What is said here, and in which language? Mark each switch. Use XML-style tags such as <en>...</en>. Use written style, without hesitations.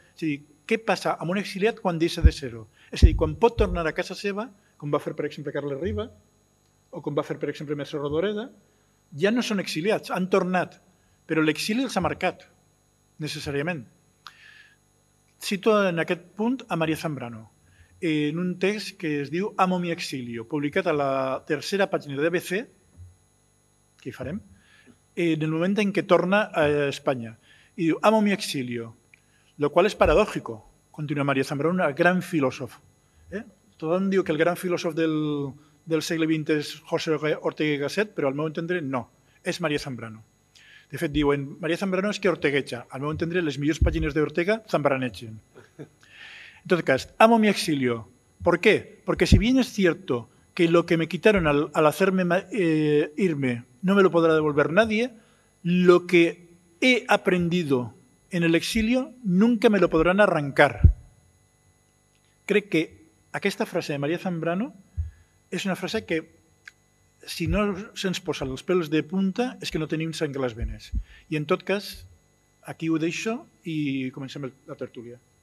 <ca>És a dir, què passa amb un exiliat quan deixa de ser-ho? És a dir, quan pot tornar a casa seva, com va fer, per exemple, Carles Riba, o com va fer, per exemple, Mercè Rodoreda, ja no són exiliats, han tornat, però l'exili els ha marcat, necessàriament. Cito en aquest punt a Maria Zambrano, en un text que es diu Amo mi exilio, publicat a la tercera pàgina de ABC, que hi farem, en el moment en què torna a Espanya. I diu,</ca> <es>amo mi exilio, lo cual es paradójico,</es> <ca>continua Maria Zambrano, una gran filòsof. Tothom diu que el gran filòsof del segle XX és José Ortega y Gasset, però al meu entendre no, és Maria Zambrano. De fet, diuen, Maria Zambrano és que orteguetja. Al meu entendre, les millors pàgines d'Ortega zambranetgen. En tot cas,</ca> <es>amo mi exilio. ¿Por qué? Porque si bien es cierto que lo que me quitaron al hacerme irme no me lo podrá devolver nadie, lo que he aprendido en el exilio nunca me lo podrán arrancar.</es> <ca>Crec que aquesta frase de Maria Zambrano és una frase que, si no se'ns posa els pèls de punta, és que no tenim sang a les venes. I en tot cas, aquí ho deixo i comencem la tertúlia.</ca>